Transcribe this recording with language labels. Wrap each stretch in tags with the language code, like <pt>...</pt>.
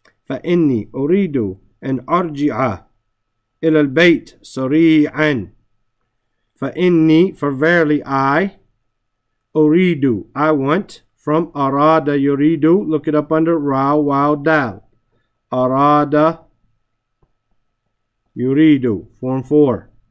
<ar>فإني أريد أن أرجع إلى البيت سريعاً.</ar> <en>فإني, for verily I, أريد, I want, from</en> <ar>أراد يريد,</ar> <en>look it up under را واو دال.</en> <ar>أراد يريد,</ar> <en>form 4.</en>